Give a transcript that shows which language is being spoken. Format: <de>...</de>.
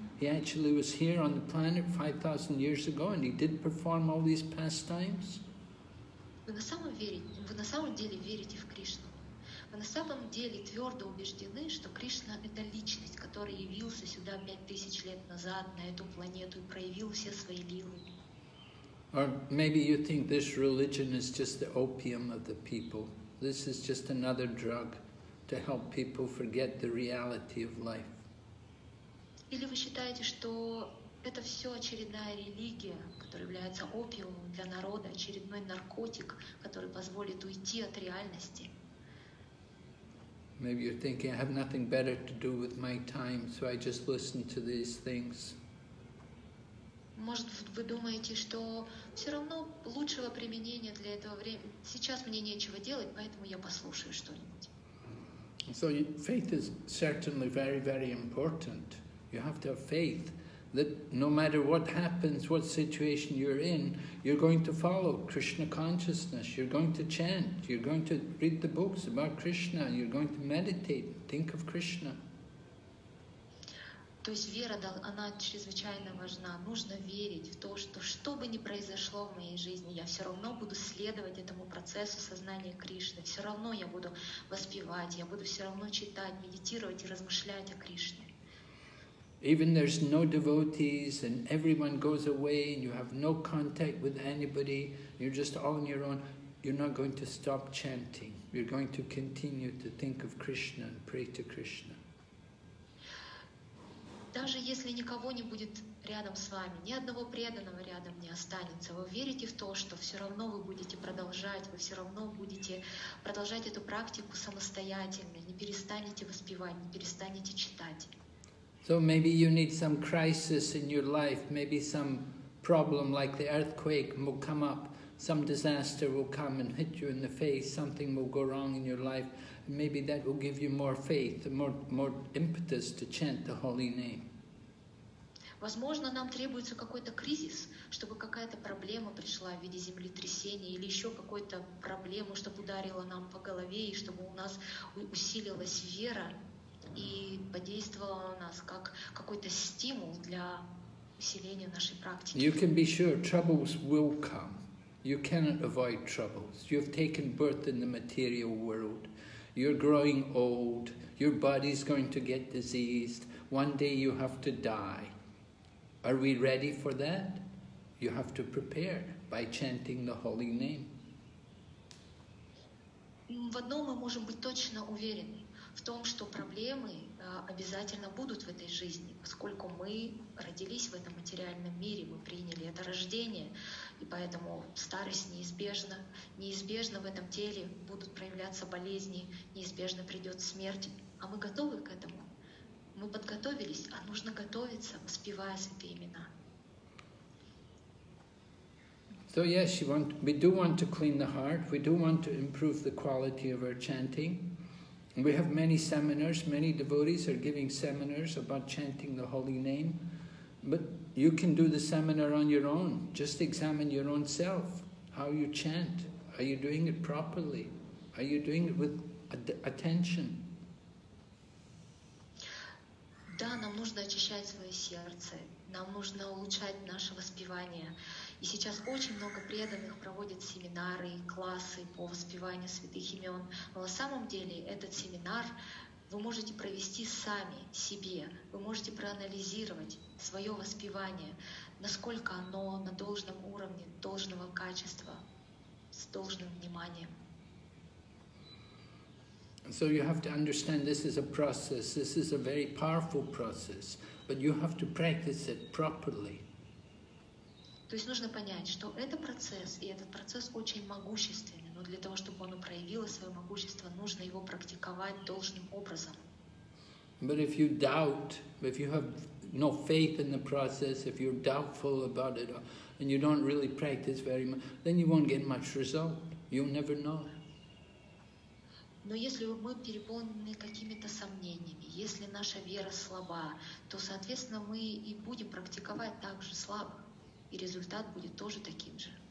<en>He actually was here on the planet 5,000 years ago and he did perform all these pastimes?</en> <ru>Вы на самом деле верите в Кришну? Вы на самом деле твердо убеждены, что Кришна — это личность, который явился сюда 5,000 лет назад на эту планету и проявил все свои лилы?</ru> <en>Or maybe you think this religion is just the opium of the people. This is just another drug to help people forget the reality of life.</en> <ru>Или вы считаете, что это все очередная религия, которая является опиумом для народа, очередной наркотик, который позволит уйти от реальности?</ru> <en>Maybe you're thinking, I have nothing better to do with my time, so I just listen to these things.</en> <ru>Может, вы думаете, что все равно лучшего применения для этого времени сейчас мне нечего делать, поэтому я послушаю что-нибудь.</ru> <en>So faith is certainly very, very important. You have to have faith that no matter what happens, what situation you're in, you're going to follow Krishna consciousness, you're going to chant, you're going to read the books about Krishna, you're going to meditate, think of Krishna.</en> <ru>То есть вера, она чрезвычайно важна. Нужно верить в то, что что бы ни произошло в моей жизни, я все равно буду следовать этому процессу сознания Кришны. Все равно я буду воспевать, я буду все равно читать, медитировать и размышлять о Кришне.</ru> <en>Even there's no devotees and everyone goes away and you have no contact with anybody, you're just all on your own, you're not going to stop chanting. You're going to continue to think of Krishna and pray to Krishna.</en> <ru>Даже если никого не будет рядом с вами, ни одного преданного рядом не останется, вы верите в то, что все равно вы будете продолжать, вы все равно будете продолжать эту практику самостоятельно, не перестанете воспевать, не перестанете читать.</ru> <en>So maybe you need some crisis in your life, maybe some problem like the earthquake will come up, some disaster will come and hit you in the face, something will go wrong in your life. Maybe that will give you more faith, more impetus to chant the holy name.</en> <ru>Возможно, нам требуется какой-то кризис, чтобы какая-то проблема пришла в виде землетрясения или еще какой-то проблему, чтобы ударило нам по голове и чтобы у нас усилилась вера и подействовала на нас как какой-то стимул для усиления нашей практики.</ru> <en>You can be sure troubles will come. You cannot avoid troubles. You have taken birth in the material world. You're growing old, your body's going to get diseased, one day you have to die. Are we ready for that? You have to prepare by chanting the holy name.</en> <ru>В одном мы можем быть точно уверены, в том, что проблемы обязательно будут в этой жизни, поскольку мы родились в этом материальном мире, мы приняли это рождение. И поэтому старость неизбежна, неизбежно в этом теле будут проявляться болезни, неизбежно придет смерть. А мы готовы к этому? Мы подготовились, а нужно готовиться, воспевая святые имена.</ru> <en>So yes, we do want to clean the heart, we do want to improve the quality of our chanting. We have many seminars, many devotees are giving seminars about chanting the holy name. But you can do the seminar on your own. Just examine your own self. How you chant. Are you doing it properly? Are you doing it with attention?</en> <ru>Да, нам нужно очищать свое сердце. Нам нужно улучшать наше воспевание. И сейчас очень много преданных проводят семинары, классы по воспеванию святых имен. Но на самом деле этот семинар вы можете провести сами себе. Вы можете проанализировать свое воспевание, насколько оно на должном уровне, должного качества, с должным вниманием.</ru> <en>So you have to understand this is a process, this is a very powerful process, but you have to practice it properly.</en> <ru>То есть нужно понять, что это процесс, и этот процесс очень могущественный, но для того, чтобы он проявил свое могущество, нужно его практиковать должным образом.</ru> <en>But if you doubt, if you have no faith in the process, if you're doubtful about it, and you don't really practice very much, then you won't get much result. You'll never know.</en> <ru>Но если мы переполнены какими-то сомнениями, если наша вера слаба, то, соответственно, мы и будем практиковать так же слабо, и результат будет тоже таким же.</ru>